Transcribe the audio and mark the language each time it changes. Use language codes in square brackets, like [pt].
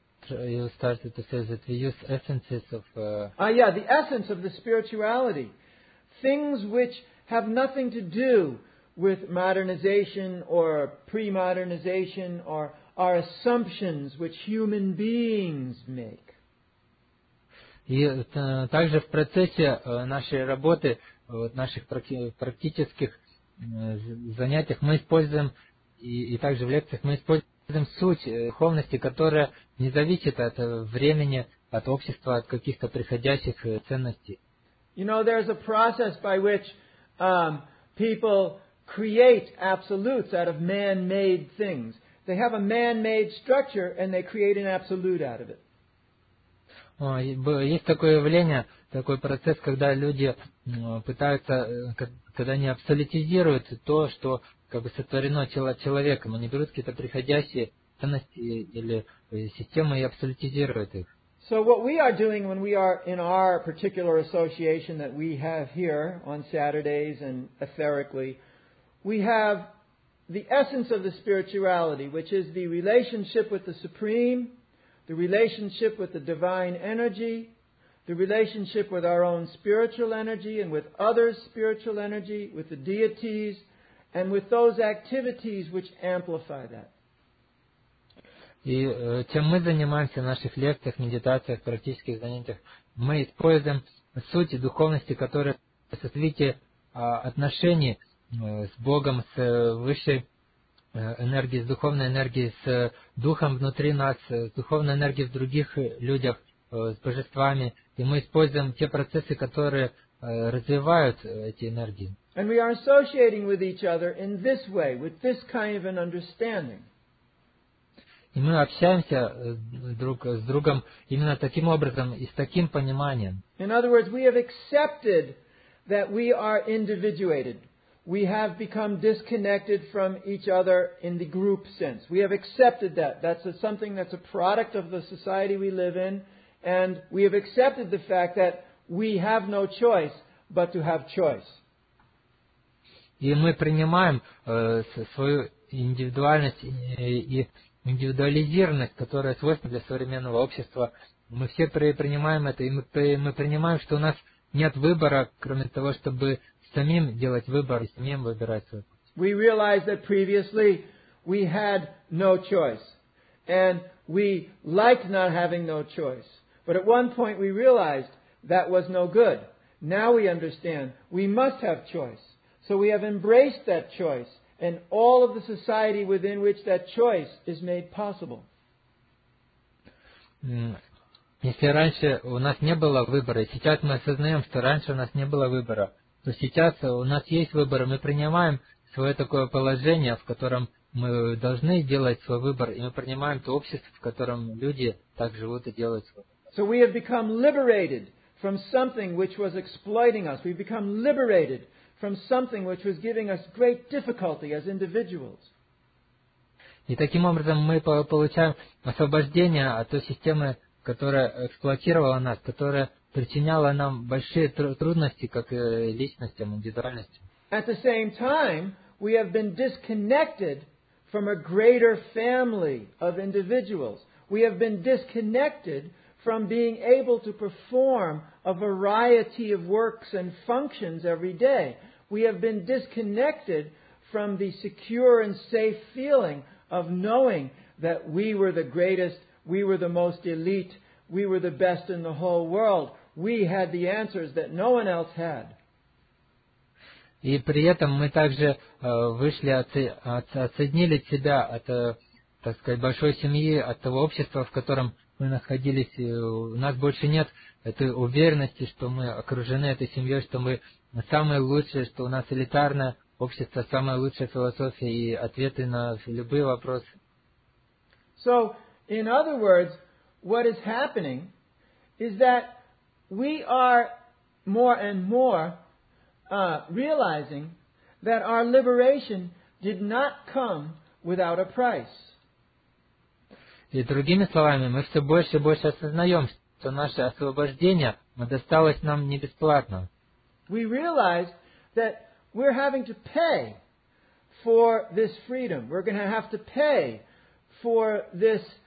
[en] you started to say that we use essences of... The essence of the spirituality. Things which have nothing to do with modernization or pre-modernization or our assumptions which human beings make. [ru] И также в процессе нашей работы, наших практических занятиях мы используем, и также в лекциях мы используем суть духовности, которая не зависит от времени, от общества, от каких-то приходящих ценностей. [en] You know, there's a process by which people create absolutes out of man-made things. They have a man-made structure and they create an absolute out of it. [ru] Есть такое явление, такой процесс, когда люди пытаются, когда они абсолютизируют то, что как бы сотворено человеком. Они берут какие-то приходящие ценности или системы и абсолютизируют их. [en] So what we are doing when we are in our particular association that we have here on Saturdays and etherically, we have the essence of the spirituality, which is the relationship with the Supreme, the relationship with the divine energy, the relationship with our own spiritual energy and with others' spiritual energy, with the deities, and with those activities which amplify that. [ru] И чем мы занимаемся в наших лекциях, медитациях, практических занятиях, мы используем суть духовности, которая в сосвете отношений с Богом, с высшей энергией, с духовной энергией, с Духом внутри нас, с духовной энергией в других людях, с божествами. И мы используем те процессы, которые развивают эти энергии. [en] And we are associating with each other in this way, with this kind of an understanding. [ru] И мы общаемся друг с другом именно таким образом и с таким пониманием. [en] In other words, we have accepted that we are individuated. We have become disconnected from each other in the group sense. We have accepted that. That's something that's a product of the society we live in. And we have accepted the fact that we have no choice but to have choice. [ru] И мы принимаем свою индивидуальность и индивидуализированность, которая свойственна для современного общества. Мы все принимаем это, и мы принимаем, что у нас нет выбора, кроме того, чтобы самим делать выбор и самим выбирать свой путь. [en] We realized that previously we had no choice, and we liked not having no choice. But at one point we realized that was no good. Now we understand we must have choice. So we have embraced that choice. And all of the society within which that choice is made possible. [ru] Если раньше у нас не было выбора, сейчас мы осознаем, что раньше у нас не было выбора, то сейчас у нас есть выбор, мы принимаем свое такое положение, в котором мы должны делать свой выбор, и мы принимаем то общество, в котором люди так живут и делают свой выбор. [en] So we have become liberated from something which was exploiting us. We've become liberated from something which was giving us great difficulty as individuals. [ru] И таким образом мы получаем освобождение от той системы, которая эксплуатировала нас, которая причиняла нам большие трудности как личностям, индивидуальностям. [en] At the same time, we have been disconnected from a greater family of individuals. We have been disconnected from being able to perform a variety of works and functions every day. We have been disconnected from the secure and safe feeling of knowing that we were the greatest, we were the most elite, we were the best in the whole world. We had the answers that no one else had. [ru] И при этом мы также вышли, отсоединили себя от, так сказать, большой семьи, от того общества, в котором мы находились. У нас больше нет этой уверенности, что мы окружены этой семьей, что мы самое лучшее, что у нас элитарное общество, самая лучшая философия и ответы на любые вопросы. [en] So, in other words, what is happening is that we are more and more realizing that our liberation did not come without a price. [ru] И другими словами, мы все больше и больше осознаем, что наше освобождение досталось нам не бесплатно. [en] We realize that we're having to pay for this freedom. We're going to have to pay for this